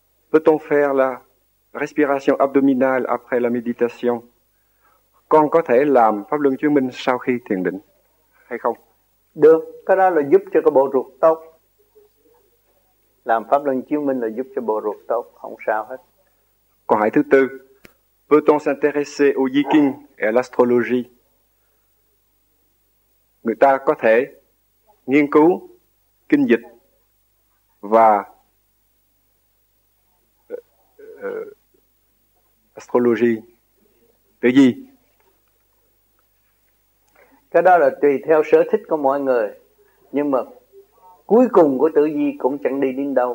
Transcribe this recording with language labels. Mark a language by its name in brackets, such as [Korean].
[French] Peut-on faire la respiration abdominale après la méditation? [Vietnamese] Con có thể làm pháp luân chuyển minh sau khi thiền định hay không? Được, cái đó là giúp cho cái bộ ruột tốt. Làm pháp luân chuyển minh là giúp cho bộ ruột tốt, không sao hết. Câu hỏi thứ tư. [French] Peut-on s'intéresser au yikin et à l'astrologie? [Vietnamese] Người ta có thể nghiên cứu kinh dịch và astrologie. Tại gì? Cái đó là tùy theo sở thích của mọi người. Nhưng mà cuối cùng của tử vi cũng chẳng đi đến đâu.